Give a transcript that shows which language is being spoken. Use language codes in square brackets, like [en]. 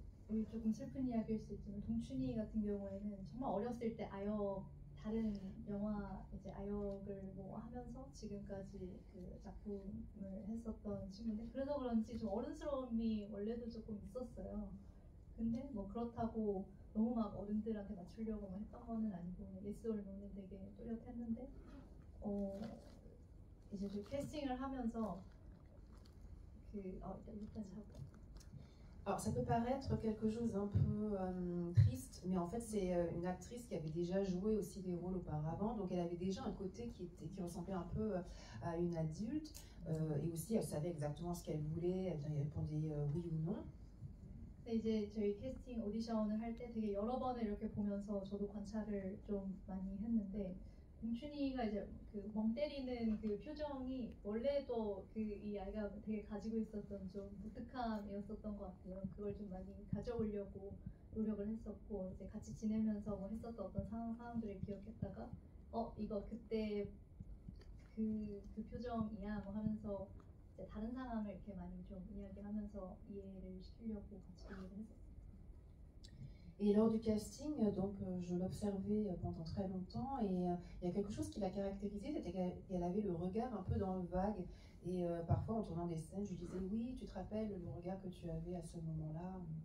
[ko] Oui, 조금 슬픈 이야기일 수 있지만 동춘이 같은 경우에는 정말 어렸을 때 아요 다른 영화 이제 아역을 뭐 하면서 지금까지 그 작품을 했었던 친구인데 그래서 그런지 좀 어른스러움이 원래도 조금 있었어요. 근데 뭐 그렇다고 너무 막 어른들한테 맞추려고 막 했던 거는 아니고 예스 올 노는 되게 뚜렷했는데 이제 좀 캐스팅을 하면서 그 일단 자고. [fr] Alors ça peut paraître quelque chose d'un peu triste, mais en fait c'est une actrice qui avait déjà joué aussi des rôles auparavant, donc elle avait déjà un côté qui ressemblait un peu à une adulte, et aussi elle savait exactement ce qu'elle voulait, elle répondait oui ou non. [ko] Mais 이제 저희 캐스팅 오디션을 할 때 되게 여러 번을 이렇게 보면서 저도 관찰을 좀 많이 했는데 봉춘이가 이제 그 멍 때리는 그 표정이 원래도 그 이 아이가 되게 가지고 있었던 좀 무뚝함이었었던 것 같아요. 그걸 좀 많이 가져오려고 노력을 했었고 이제 같이 지내면서 뭐 했었던 어떤 상황들을 기억했다가 이거 그때 그 표정이야 뭐 하면서 이제 다른 상황을 이렇게 많이 좀 이야기하면서 이해를 시키려고 같이 노력을 했었어요. [fr] Et lors du casting, donc, je l'observais pendant très longtemps et il y a quelque chose qui l'a caractérisée, c'était qu'elle avait le regard un peu dans le vague et parfois en tournant des scènes, je lui disais oui, tu te rappelles le regard que tu avais à ce moment-là.